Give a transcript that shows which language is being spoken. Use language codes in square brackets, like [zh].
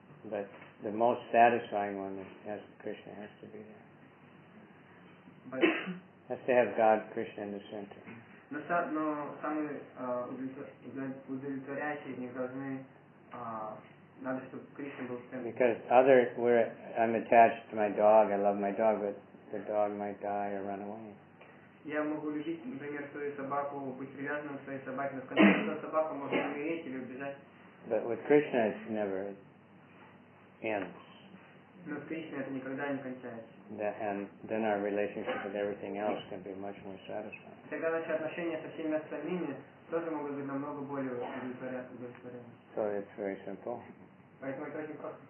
[en] But the most satisfying one is Krishna has to be there. But has to have God, Krishna in the center. [ru] Но самые удовлетворяющие из них должны надо, чтобы Кришна был в центре. [en] Because other where I'm attached to my dog, I love my dog, but the dog might die or run away. [ru] Я могу любить, например, свою собаку, быть привязанным к своей собаке, но в конце концов собака может умереть или убежать. [en] But with Krishna it never ends. [ru] Но с Кришной это никогда не кончается. [en] And then our relationship with everything else can be much more satisfying. [ru] Тогда наши отношения со всеми остальными тоже могут быть намного более удовлетворяющими. [en] So it's very simple. [ru] Поэтому это очень просто.